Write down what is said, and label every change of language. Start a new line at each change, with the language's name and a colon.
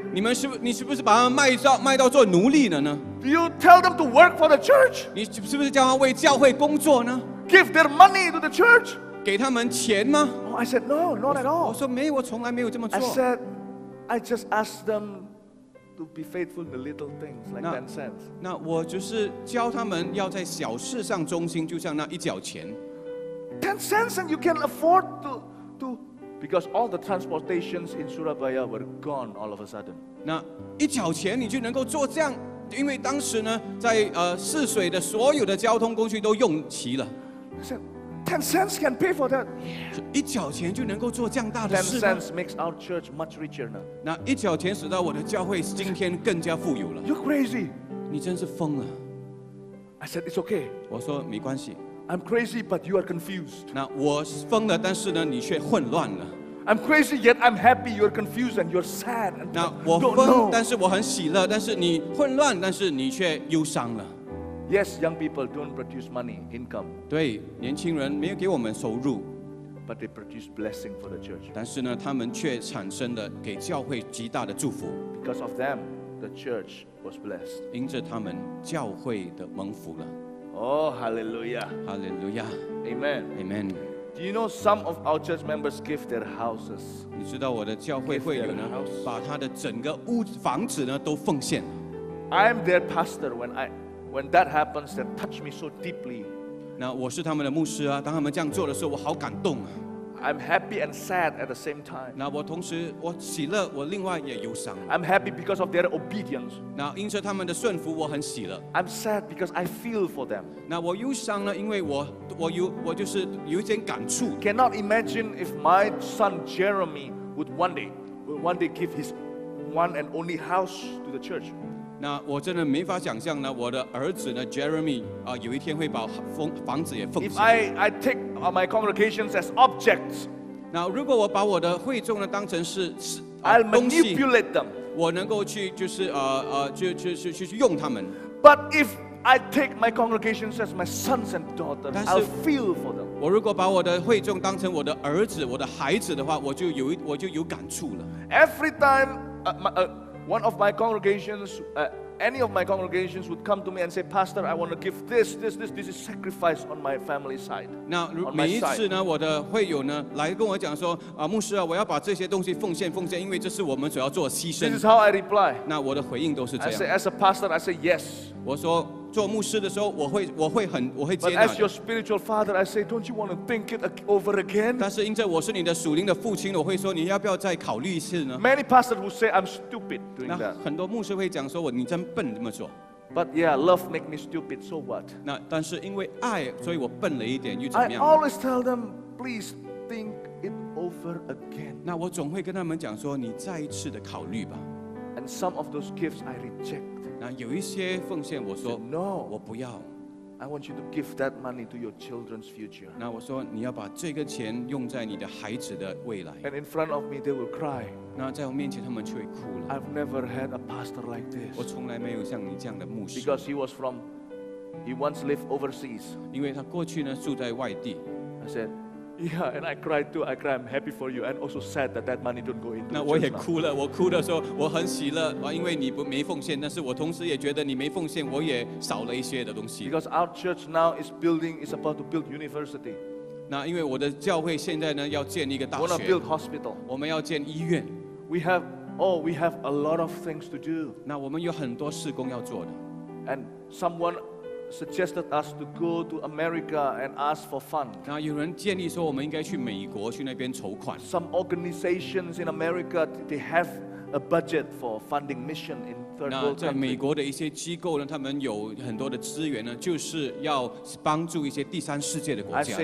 Chinese: 你是不是把他们卖到做奴隶了呢
English: ？Do you tell them to work for the church?
Chinese: 你是不是叫他为教会工作呢
English: ？Give their money to the church.
Chinese: 给他们钱吗
English: ？I said no, not at all.
Chinese: 我说没，我从来没有这么做。
English: I said, I just asked them to be faithful in the little things, like 10 cents.
Chinese: 那我就是教他们要在小事上忠心，就像那一角钱。
English: 10 cents and you can afford to because all the transportations in Surabaya were gone all of a sudden.
Chinese: 那一角钱你就能够做这样，因为当时呢，在泗水的所有的交通工具都用齐了。
English: I said, 10 cents can pay for that.
Chinese: 一角钱就能够做这样大的事。
English: 10 cents makes our church much richer now.
Chinese: 那一角钱使到我的教会今天更加富有了。
English: You're crazy.
Chinese: 你真是疯了。
English: I said it's okay.
Chinese: 我说没关系。
English: I'm crazy, but you are confused.
Chinese: 那我疯了，但是呢，你却混乱了。
English: I'm crazy, yet I'm happy. You are confused and you're sad.
Chinese: 那我疯，但是我很喜乐，但是你混乱，但是你却忧伤了。
English: Yes, young people don't produce money income.
Chinese: 对，年轻人没有给我们收入。
English: But they produce blessing for the church.
Chinese: 但是呢，他们却产生了给教会极大的祝福。
English: Because of them, the church was blessed.
Chinese: 因着他们，教会的蒙福了。
English: Oh, hallelujah. Hallelujah. Amen. Amen. Do you know some of our church members give their houses?
Chinese: 你知道我的教会会员呢，把他的整个屋房子呢都奉献。
English: I'm their pastor. When that happens, that touched me so deeply.
Chinese: 那我是他们的牧师啊，当他们这样做的时候，我好感动啊。
English: I'm happy and sad at the same time.
Chinese: 那我同时我喜乐，我另外也忧伤。
English: I'm happy because of their obedience.
Chinese: 那因着他们的顺服，我很喜乐。
English: I'm sad because I feel for them.
Chinese: 那我忧伤呢？因为我就是有一点感触。
English: Cannot imagine if my son Jeremy would one day give his one and only house to the church.
Chinese: 那我真的没法想象呢，我的儿子呢 Jeremy 啊，有一天会把房子也奉献。
English: If I take my congregations as objects,
Chinese: 那如果我把我的会众呢当成是东西，
English: I'll manipulate them.
Chinese: 我能够去就是去用他们。
English: But if I take my congregations as my sons and daughters, I'll feel for them.
Chinese: 我如果把我的会众当成我的儿子、我的孩子的话，我就有感触了。
English: Every time one of my congregations, any of my congregations would come to me and say, Pastor, I want to give this is sacrifice on my family side.
Chinese: 那每一次呢，我的会友呢来跟我讲说，啊，牧师啊，我要把这些东西奉献，因为这是我们所要做的牺牲。
English: This is how I reply.
Chinese: 那我的回应都是这样。
English: I say, as a pastor, I say yes.
Chinese: 我说做牧师的时候，我会接纳的。
English: But as your spiritual father, I say, don't you want to think it over again?
Chinese: 但是因着我是你的属灵的父亲，我会说，你要不要再考虑一次呢
English: ？Many pastors will say I'm stupid doing that.
Chinese: 那很多牧师会讲说，你真笨这么做。
English: But yeah, love make me stupid. So what?
Chinese: 那但是因为爱，所以我笨了一点又怎么样
English: ？I always tell them, please think it over again.
Chinese: 那我总会跟他们讲说，你再一次的考虑吧。
English: And some of those gifts I reject.
Chinese: 那有一些奉献，我说
English: no,
Chinese: 我不要。
English: I want you to give that money to your children's future.
Chinese: 那我说你要把这个钱用在你的孩子的未来。
English: And in front of me, they will cry.
Chinese: 那在我面前，他们就会哭了。 I've never had a pastor like this. 我从来没有像你这样的牧师。
English: Because he once lived overseas.
Chinese: 因为他过去呢住在外地。
English: I said. Yeah, and I cried too. I cried. I'm happy for you, and also sad that that money don't go into.
Chinese: 那我也哭了。我哭的时候，我很喜乐，因为你不没奉献。但是我同时也觉得你没奉献，我也少了一些的东西。
English: Because our church now is about to build university.
Chinese: 那因为我的教会现在呢要建一个大学。
English: We want to build hospital.
Chinese: 我们要建医院。
English: We have a lot of things to do.
Chinese: 那我们有很多事工要做的。
English: And someone suggested us to go to America and ask for funds.
Chinese: 那有人建议说我们应该去美国去那边筹款。
English: Some organizations in America, they have a budget for funding mission in third world countries.
Chinese: 那在美国的一些机构呢，他们有很多的资源呢，就是要帮助一些第三世界的国家的。